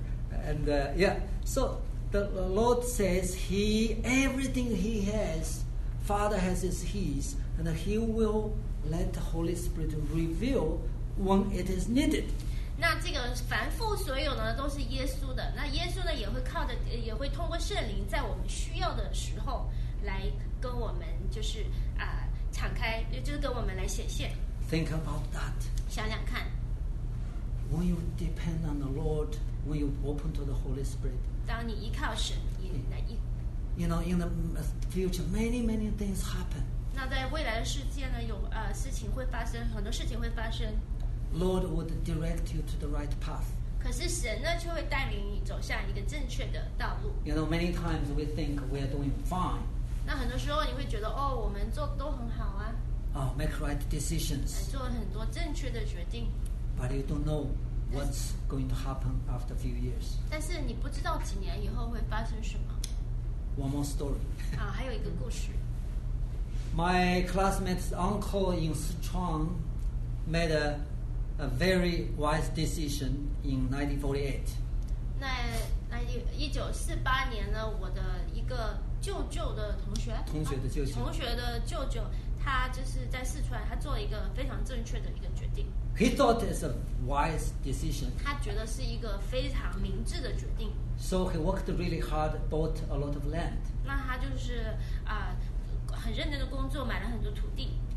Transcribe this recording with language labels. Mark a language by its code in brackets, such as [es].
[en] And yeah, so the Lord says he everything he has, Father has is his, and he will let the Holy Spirit reveal when it is needed. [zh] 那这个凡父所有呢都是耶稣的，那耶稣呢也会靠着，也会通过圣灵，在我们需要的时候来跟我们就是啊、敞开，就是跟我们来显现。 [en] Think about that. [zh] 想想看。 [en] When you depend on the Lord. When you open to the Holy Spirit, [zh] 当你依靠神， [en] you know, in the future, many many things happen. [zh] 那在未来的世界呢，有事情会发生，很多事情会发生。 [en] Lord would direct you to the right path. [zh] 可是神呢，却会带领你走向一个正确的道路。 [en] You know, many times we think we are doing fine. [zh] 那很多时候你会觉得，哦，我们做都很好啊。 [en] Oh, make right decisions. [zh] 做了很多正确的决定。 [en] But you don't know. What's going to happen after a few years? [zh] 但是你不知道几年以后会发生什么。 [en] One more story. [zh] 啊，还有一个故事。 [en] My classmate's uncle in Sichuan made a very wise decision in 1948. [zh] 1948年呢，我的一个舅舅的同学的舅舅，他就是在四川，他做了一个非常正确的一个决定。 [en] He thought it's a wise decision. [zh] 他觉得是一个非常明智的决定。 [en] So he worked really hard, bought a lot of land. [zh] 那他就是啊、很认真的工作，买了很多土地。